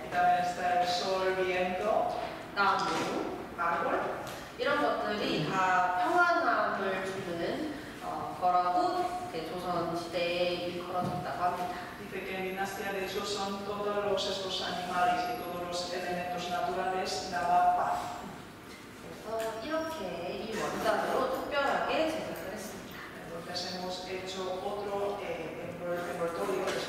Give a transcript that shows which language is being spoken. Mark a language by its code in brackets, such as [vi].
[es] también está el sol, viento, [ko] 나무, [es] árbol, [ko] 이런 것들이 다 평안함을 주는 거라고 조선 시대에 일컬어졌다고 합니다. [es] Dice que en dinastía de Joseon todos los estos animales y todos los elementos naturales daba paz. [ko] 그래서 이렇게 이 원단으로 특별하게 제작을 했습니다. [es] Entonces hemos hecho otro envoltorio.